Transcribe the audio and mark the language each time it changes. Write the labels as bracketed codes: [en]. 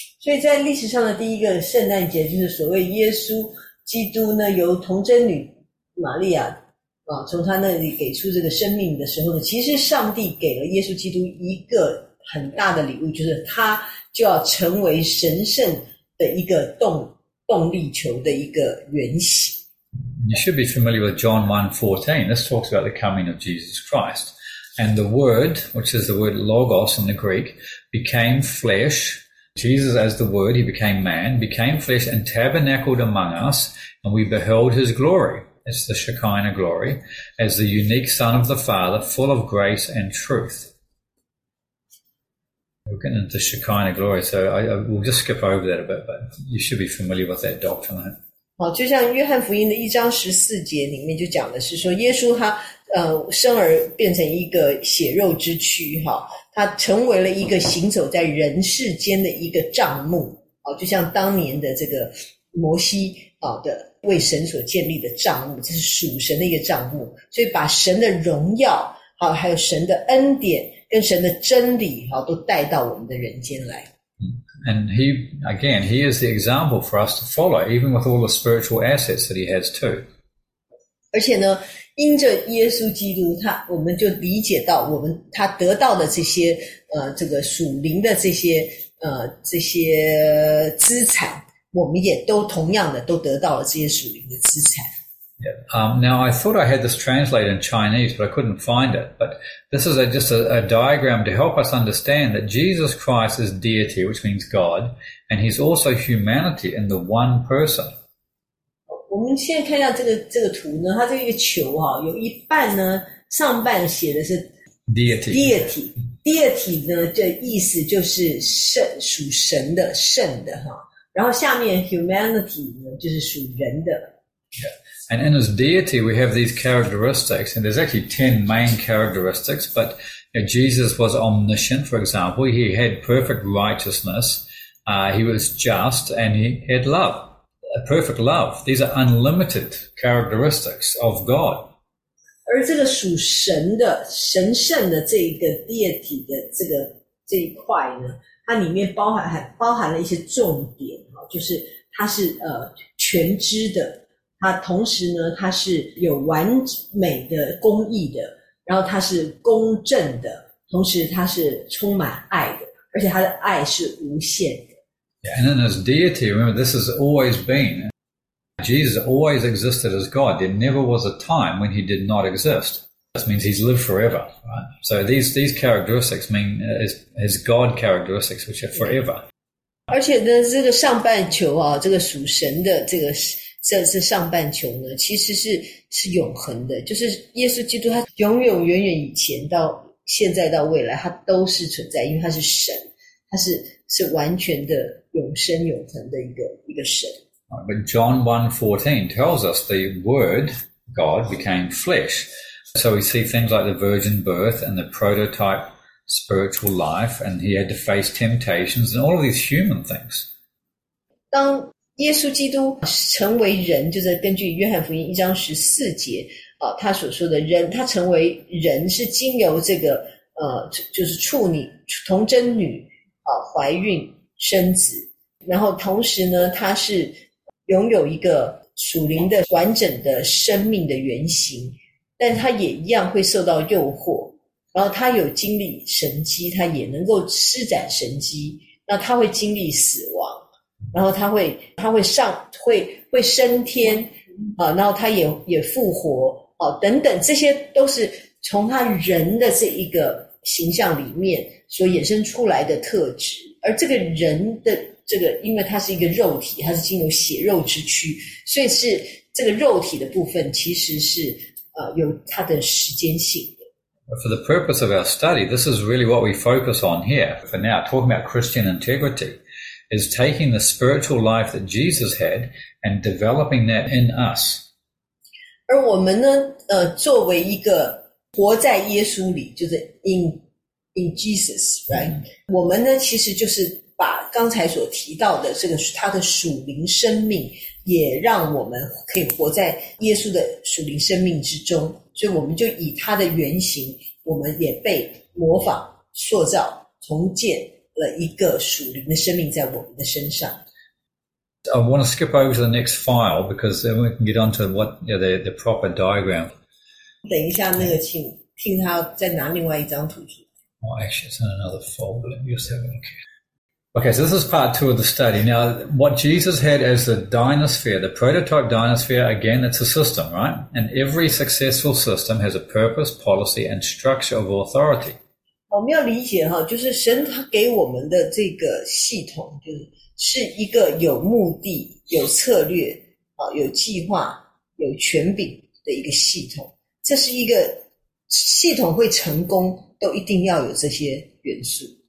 [zh] 所以在历史上的第一个圣诞节就是所谓耶稣基督呢，由童贞女玛利亚从他那里给出这个生命的时候呢，其实上帝给了耶稣基督一个很大的礼物，就是他就要成为神圣的一个动力球的一个原型。 [en] You should be familiar with John 1:14. This talks about the coming of Jesus Christ. And the word, which is the word logos in the Greek, became flesh. Jesus as the word, he became man, became flesh and tabernacled among us, and we beheld his glory. It's the Shekinah glory, as the unique Son of the Father, full of grace and truth. We're getting into Shekinah glory, so I we'll just skip over that a bit, but you should be familiar with that doctrine. [zh] 好，就像约翰福音的一章十四节里面就讲的是说，耶稣他生而变成一个血肉之躯，哈，他成为了一个行走在人世间的一个帐幕，好，就像当年的这个摩西的为神所建立的帐幕，这是属神的一个帐幕，所以把神的荣耀，好，还有神的恩典跟神的真理，好，都带到我们的人间来。 [en] And he, again, he is the example for us to follow, even with all the spiritual assets that he has too. [zh] 而且呢，因着耶稣基督，他，我们就理解到我们，他得到的这些，这个属灵的这些，这些资产，我们也都同样的都得到了这些属灵的资产。 [en] Yeah. Now, I thought I had this translated in Chinese, but I couldn't find it. But this is just a diagram to help us understand that Jesus Christ is deity, which means God, and he's also humanity in the one person. [zh] 我们现在看到这个图呢，它这个球啊，有一半呢，上半写的是 [en] deity. [zh] Deity 呢，这意思就是圣，属神的，圣的哈。然后下面 humanity 呢，就是属人的。 [en] Yeah. And in his deity, we have these characteristics, and there's actually 10 main characteristics, but you know, Jesus was omniscient, for example. He had perfect righteousness. He was just, and he had love, a perfect love. These are unlimited characteristics of God. [zh] 而这个属神的、神圣的这一个 deity 的这个这一块呢，它里面包含了一些重点，就是它是全知的。他同时呢，他是有完美的公义的，然后他是公正的，同时他是充满爱的，而且他的爱是无限的。 [en] Yeah, and in his deity, remember, this has always been. Jesus always existed as God. There never was a time when he did not exist. This means he's lived forever, right? So these characteristics mean his God characteristics, which are forever. [zh] 而且呢，这个上半球啊，这个属神的这个。这是上半球呢，其实是永恒的，就是耶稣基督他永远远远以前到现在到未来，他都是存在，因为他是神，他是完全的永生永恒的一个神。 [en] But John 1:14 tells us the Word God became flesh, so we see things like the virgin birth and the prototype spiritual life, and he had to face temptations and all of these human things. [zh] 当耶稣基督成为人，就是根据约翰福音一章十四节啊，他所说的人，他成为人是经由这个就是处女童贞女啊怀孕生子，然后同时呢，他是拥有一个属灵的完整的生命的原型，但他也一样会受到诱惑，然后他有经历神迹，他也能够施展神迹，那他会经历死亡。然后他会上会升天啊，然后他也复活啊，等等，这些都是从他人的这一个形象里面所衍生出来的特质。而这个人的这个，因为他是一个肉体，他是经由血肉之躯，所以是这个肉体的部分其实是有它的时间性的。 [en] For the purpose of our study, this is really what we focus on here for now. Talking about Christian integrity. Is taking the spiritual life that Jesus had and developing that in us. [zh] 而我们呢，作为一个活在耶稣里，就是 [en] in Jesus, right?、 [zh] Mm-hmm. 我们呢，其实就是把刚才所提到的这个他的属灵生命，也让我们可以活在耶稣的属灵生命之中。所以我们就以他的原型，我们也被模仿、塑造、重建。一个属灵的生命在我们的身上。 [en] I want to skip over to the next file because then we can get on to what you know, the proper diagram. [zh] 等一下，那个请听他再拿另外一张图出来。 [en] Oh, actually, it's in another folder. Let me just have a look. Okay, so this is part two of the study. Now, what Jesus had as the dynosphere, the prototype dynosphere, again, it's a system, right? And every successful system has a purpose, policy, and structure of authority. [zh] 我们要理解哈，就是神他给我们的这个系统，就是是一个有目的、有策略、有计划、有权柄的一个系统。这是一个系统会成功，都一定要有这些元素。